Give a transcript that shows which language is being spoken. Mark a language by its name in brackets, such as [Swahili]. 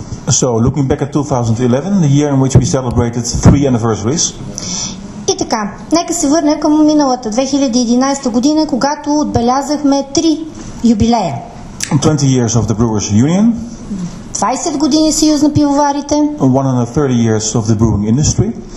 [English] So, looking back at 2011, the year in which we celebrated three anniversaries. [Bulgarian] И така, нека се върнем към миналата 2011 година, когато отбелязахме 3 юбилея. [English] 20 years of the Brewers Union. [Bulgarian] 20 години съюз на пивоварите. [English] 130 years of the brewing industry.